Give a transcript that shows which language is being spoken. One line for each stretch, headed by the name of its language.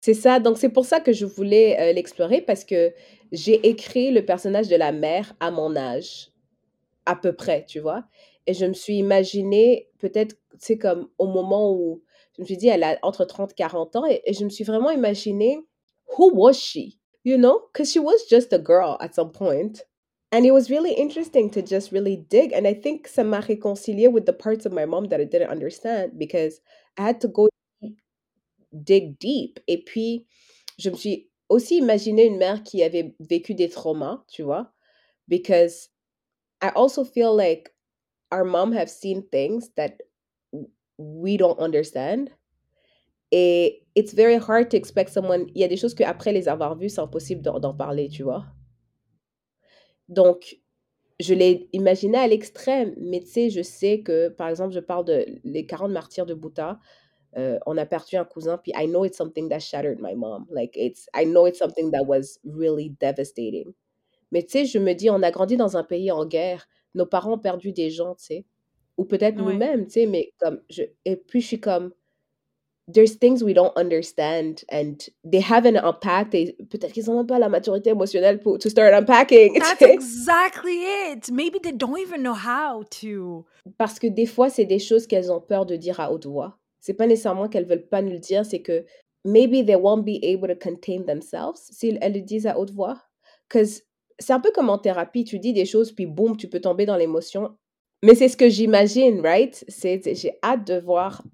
French: C'est ça, donc c'est pour ça que je voulais l'explorer, parce que j'ai écrit le personnage de la mère à mon âge, à peu près, tu vois. Et je me suis imaginée, peut-être, tu sais, comme au moment où, je me suis dit, elle a entre 30 et 40 ans, et je me suis vraiment imaginée,
English: who was she? You know, because she was just a girl at some point. And it was really interesting to just really dig. And I think
French: ça m'a réconcilié
English: with the parts of my mom that I didn't understand, because I had to go dig deep.
French: Et puis, je me suis aussi imaginé une mère qui avait vécu des traumas, tu vois.
English: Because I also feel like our mom have seen things that we don't understand.
French: Et
English: it's very hard to expect someone...
French: Il y a des choses qu'après les avoir vues, c'est impossible d'en parler, tu vois. Donc, je l'ai imaginé à l'extrême. Mais tu sais, je sais que, par exemple, je parle de les 40 martyrs de Bhouta. on a perdu un cousin.
English: Puis I know it's something that shattered my mom. Like, it's, I know it's something that was really devastating.
French: Mais tu sais, je me dis, on a grandi dans un pays en guerre. Nos parents ont perdu des gens, tu sais. Ou peut-être ouais. nous-mêmes, tu sais. Mais comme, je, et puis je suis comme,
English: there's things we don't understand and they have an impact.
French: Et peut-être qu'ils n'ont même pas la maturité émotionnelle pour
English: to start unpacking. That's t'sais? Exactly it. Maybe they don't even know how to.
French: Parce que des fois, c'est des choses qu'elles ont peur de dire à haute voix. C'est pas nécessairement qu'elles veulent pas nous le dire, c'est que
English: maybe they won't be able to contain themselves
French: si elles le disent à haute voix.
English: Because
French: c'est un peu comme en thérapie, tu dis des choses, puis boum, tu peux tomber dans l'émotion. Mais c'est ce que j'imagine,
English: right?
French: C'est, j'ai hâte de voir.